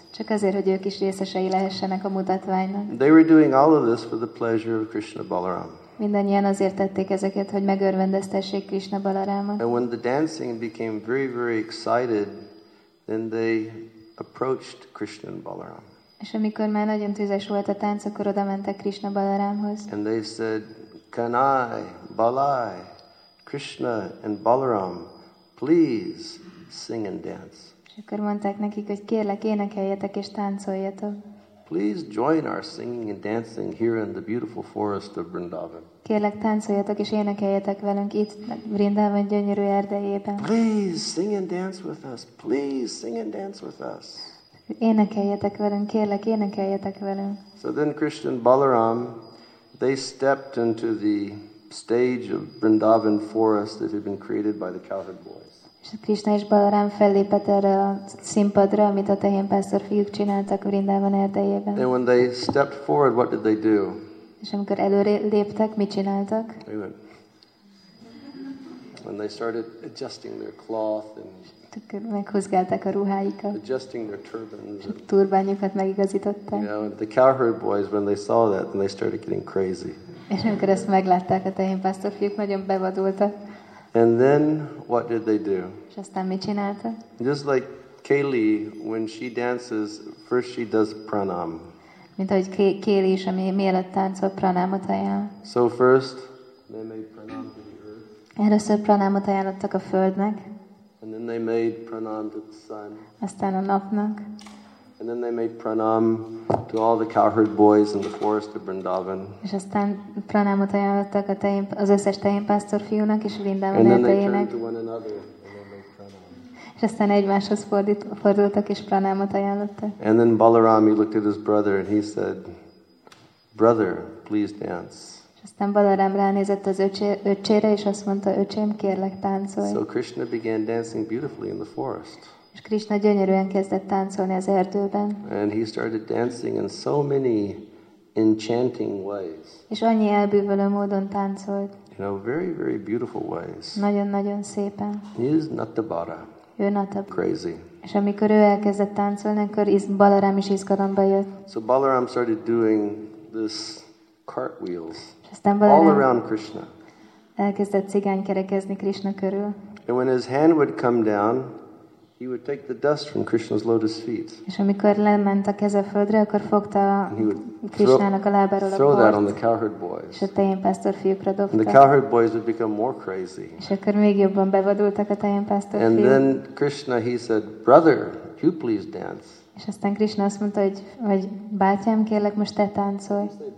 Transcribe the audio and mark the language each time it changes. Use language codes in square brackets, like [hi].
[hu] Csak azért, hogy ők is részesei lehessenek a mutatványnak. [en] They were doing all of this for the pleasure of Krishna Balaram. [hu] Mindannyian azért tették ezeket, hogy megörvendeztessék Krishna Balarámot. [en] And when the dancing became very, very excited, then they approached Krishna Balaram. [hu] És amikor már nagyon tüzes volt a tánc, akkor oda mentek Krishna Balarámhoz. [en] And they said, Kanai, Balai, Krishna and Balaram, please sing and dance. [hu] És akkor mondták nekik, hogy kérlek, énekeljetek és táncoljatok. [en] Please join our singing and dancing here in the beautiful forest of Vrindavan. [hu] Kérlek, táncoljatok és énekeljetek velünk itt Vrindavan gyönyörű erdejében. [en] Please sing and dance with us. Please sing and dance with us. [hu] Énekeljetek velünk, kérlek, énekeljetek velünk. [en] So then Krishna and Balaram, they stepped into the stage of Vrindavan forest that had been created by the cowherd boys. [hu] Krishna és Balaram fellépett erre a színpadra, amit a tehénpásztor fiúk csináltak Vrindavan erdejében. [en] And when they stepped forward, what did they do? [hu] És amikor előre léptek, mit csináltak? [en] Amen. When they started adjusting their cloth and [hu] meghúzgálták a ruháikat. [en] Adjusting their turbans. [hu] Turbányokat megigazították. [en] You know, the cowherd boys, when they saw that, then they started getting crazy. [hu] És amikor ezt meglátták, a tehénpásztor fiúk nagyon bevadultak. [en] And then what did they do? [hu] És aztán mit csináltak? [en] Just like Kaylee, when she dances, first she does pranam. [hu] Mint ahogy Kaylee is, ami mielőtt táncol, pranamot ajánl. [en] So first, they made pranam to the earth. [hu] Először pranamot ajánlottak a földnek. [en] And then they made pranam to the sun. [hu] Aztán a napnak. [en] And then they made pranam to all the cowherd boys in the forest of Vrindavan. [hu] És aztán pranamot ajánlottak az összes tehénpásztor fiúnak és Vrindavan erdejének. [en] And then they turned to one another and made pranam. [hu] És aztán egymáshoz fordultak és pranamot ajánlottak. [en] And then Balaram, he looked at his brother and he said, "Brother, please dance." [hu] Aztán Balarám ránézett az öcsére, és azt mondta, öcsém, kérlek, táncolj. [en] So Krishna began dancing beautifully in the forest. [hu] És Krishna gyönyörűen kezdett táncolni az erdőben. [en] And he started dancing in so many enchanting ways. [hu] És annyi elbűvölő módon táncolt. [en] You know, very, very beautiful ways. [hu] Nagyon-nagyon szépen. [en] He is Natabara. [hu] Ő Natabara. [en] Crazy. [hu] És amikor ő elkezdett táncolni, akkor Balarám is izgalomba jött. [en] So Balarám started doing this cartwheels all around Krishna. [hu] Elkezdett cigánykerekezni Krishna körül. [en] And when his hand would come down, he would take the dust from Krishna's lotus feet. [hu] És amikor lement a keze földre, akkor fogta Krishnának a lábáról a port. [en] Throw that on the cowherd boys. [hu] És a tejénpásztor fiúkra dobta. [en] And the cowherd boys would become more crazy. [hu] És akkor még jobban bevadultak a tejénpásztor fiúk. [en] And then Krishna, he said, brother, you please dance. [hu] És aztán Krishna azt mondta, hogy bátyám, kérlek, most te táncolj.